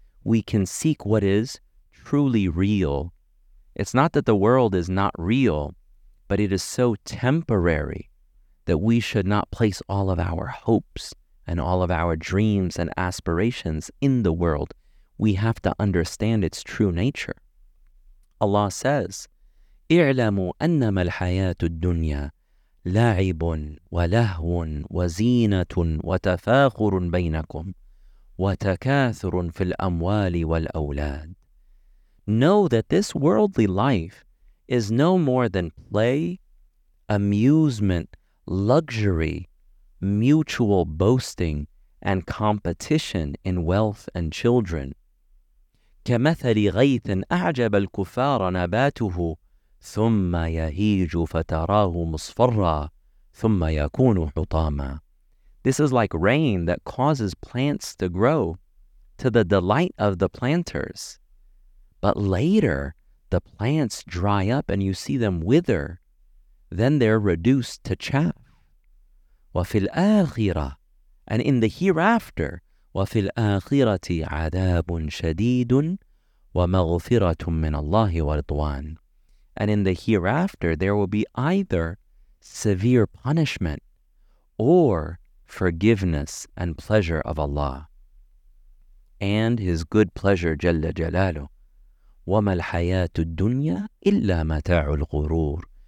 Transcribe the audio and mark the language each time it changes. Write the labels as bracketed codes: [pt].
[en] We can seek what is truly real. It's not that the world is not real, but it is so temporary that we should not place all of our hopes and all of our dreams and aspirations in the world. We have to understand its true nature. Allah says, [ar] اعلموا أنما الحياة الدنيا لعب ولهو وزينة وتفاخر بينكم وتكاثر في الأموال والأولاد. [en] Know that this worldly life is no more than play, amusement, luxury, mutual boasting, and competition in wealth and children. [ar] كمثل غيث أعجب الكفار نباته ثم يهيج فتراه مصفرا ثم يكون حطاما. [en] This is like rain that causes plants to grow to the delight of the planters. But later, the plants dry up and you see them wither. Then they're reduced to chaff. [ar] وفي الآخرة, [en] and in the hereafter, [ar] وفي الآخرة عذاب شديد ومغفرة من الله ورضوان. [en] And in the hereafter, there will be either severe punishment or forgiveness and pleasure of Allah and His good pleasure, Jalla Jalalu. [ar] وَمَا الْحَيَاةُ الدُّنْيَا إِلَّا مَتَاعُ الْغُرُورِ.